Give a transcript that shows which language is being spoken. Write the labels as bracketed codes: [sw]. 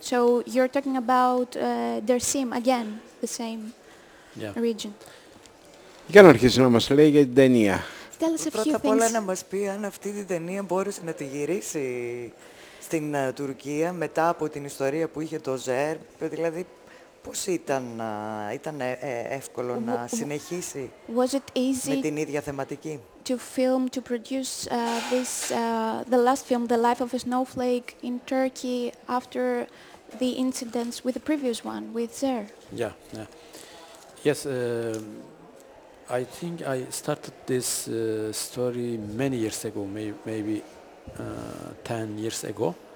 [en] So you're talking about Dersim again, the same yeah. region. [el] Για να αρχίσει να μας λέει για την ταινία. [en] Tell us a few things. [el] Πρώτα απ' όλα να μας πει αν αυτή την ταινία μπόρεσε να τη γυρίσει στην Τουρκία μετά από την ιστορία που είχε το Ζερ, δηλαδή. Πώς ήταν εύκολο να συνεχίσει με την ίδια θεματική. [en] To film, to produce this the last film, The Life of a Snowflake, in Turkey after the incidents with the previous one, with Zer. Yeah, yeah. Yes, I think I started this story many years ago, maybe 10 years ago.